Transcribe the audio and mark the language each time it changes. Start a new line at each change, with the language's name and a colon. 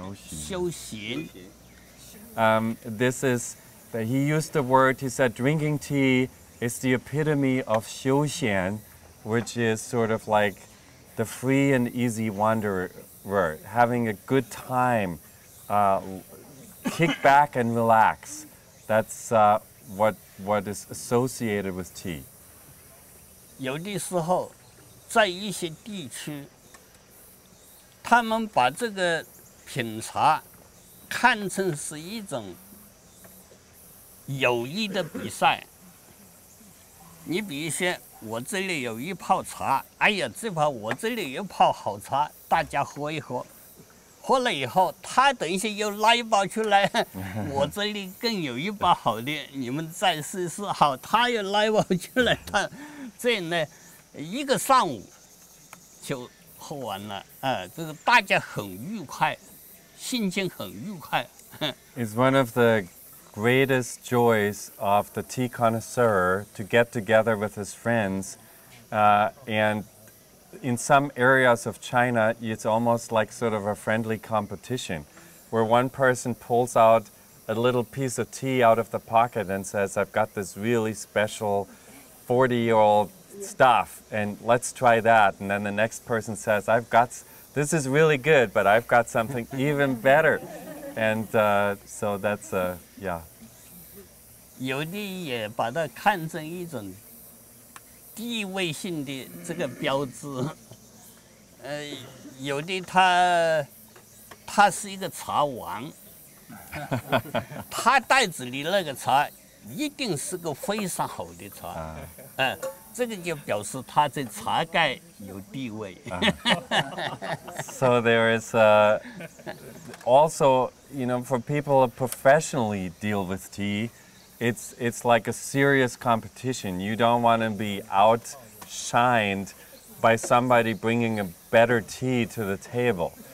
Chinese: 这个品茶的时候，在我们国家是种很修行的。
English: This is, he used the word, he said drinking tea is the epitome of Xiuxian, which is sort of like the free and easy wanderer, having a good time, kick back and relax. That's what is associated with tea.
Chinese: 有的时候，在一些地区，他们把这个品茶看成是一种友谊的比赛。你比如说，我这里有一泡茶，哎呀，这泡我这里有泡好茶，大家喝一喝。喝了以后，他等一下又拉一包出来，我这里更有一包好的，你们再试试。好，他又拉一包出来，他这样呢，一个上午就喝完了。这个大家很愉快，心情很愉快。
English: It's one of the greatest joys of the tea connoisseur to get together with his friends, and in some areas of China, it's almost like sort of a friendly competition where one person pulls out a little piece of tea out of the pocket and says, I've got this really special 40-year-old stuff, and let's try that. And then the next person says, I've got, this is really good, but I've got something even better. And so that's, yeah.
Chinese: 有的也把它看成一种地位性的这个标志，有的他是一个茶王，他袋子里那个茶一定是个非常好的茶，这个就表示他在茶盖有地位。
English: So there is also, you know, for people who professionally deal with tea. It's like a serious competition. You don't want to be outshined by somebody bringing a better tea to the table.